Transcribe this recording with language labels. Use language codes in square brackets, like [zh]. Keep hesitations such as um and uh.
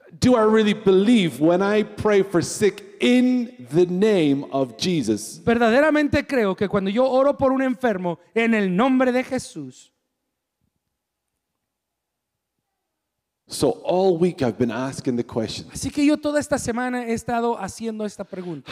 [en] do I really believe when I pray for sick in the name of Jesus? [es] Verdaderamente creo que cuando yo oro por un enfermo en el nombre de Jesús. [en] So all week I've been asking the question. [es] Así que yo toda esta semana he estado haciendo esta pregunta.